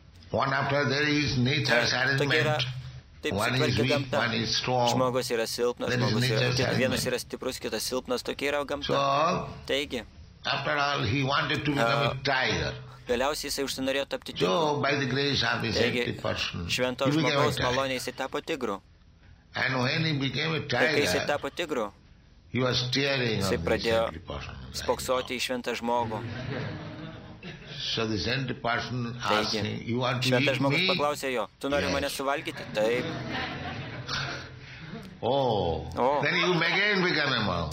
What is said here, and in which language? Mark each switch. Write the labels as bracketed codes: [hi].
[en] One after there is nature's arrangement. One is strong. [lt] Žmogus yra silpnas, vienas yra stiprus, kitas silpnas, tokia yra gamta. [en] So, [lt] taigi, [en] after all, he wanted to become a tiger. [lt] Galiausiai jisai užsinorėjo tapti tigru. [en] So, by the grace of his active person, [lt] švento žmogaus malonė jisai tapo tigru. [en] And when he became a tiger, [lt] kai jisai tapo tigru, [en] he was staring [lt] jisai pradėjo spoksoti į šventą žmogų. [en] So the sent person asked him, you want to [lt] šventas [en] eat [lt] žmogus [en] me? [lt] Paklausė jo, tu nori [en] yes. [lt] mane suvalgyti? Taip. Oh. oh. [en] Then you again become a mouse.